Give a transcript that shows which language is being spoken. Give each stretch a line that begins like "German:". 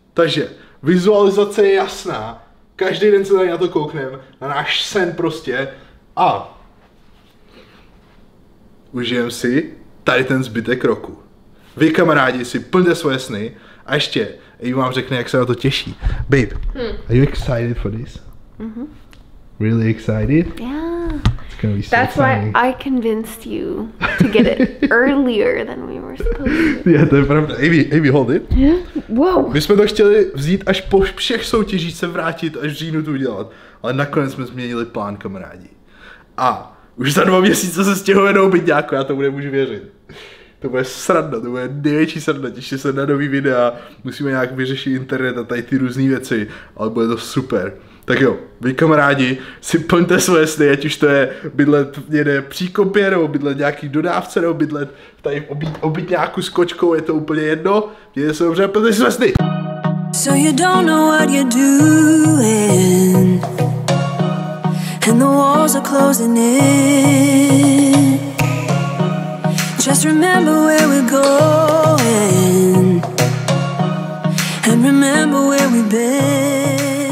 Czech: Takže, vizualizace je jasná, každý den se tady na to koukneme, na náš sen prostě, a užijem si tady ten zbytek roku. Vy, kamarádi, si plňte svoje sny a ještě, Ivy vám řekne, jak se na to těší.
English: Babe, are you excited for this? Mm-hmm. Really excited? Yeah. It's gonna be so That's exciting. That's why I convinced you to get it earlier than we were supposed to.
Czech: Yeah, to je pravda. Ivy,
English: hold it. Yeah? Wow.
Czech: My jsme to chtěli vzít až po všech soutěžích se vrátit, až v říjnu to udělat. Ale nakonec jsme změnili plán, kamarádi. A už za 2 měsíce se stěhujeme do obyťáku, já tomu nemůžu věřit. To bude sranda, to bude největší sranda, těším se na nový videa, musíme nějak vyřešit internet a tady ty různý věci, ale bude to super. Tak jo, vy kamarádi, si plňte svoje sny, ať už to je bydlet někde příkopě, nebo bydlet nějaký dodávce, nebo bydlet tady v obyťáku s kočkou, je to úplně jedno, mějte se dobře, plňte své sny.
English: So you don't know what you're doing, and the walls are closing in. Just remember where we're going, and remember where we've been.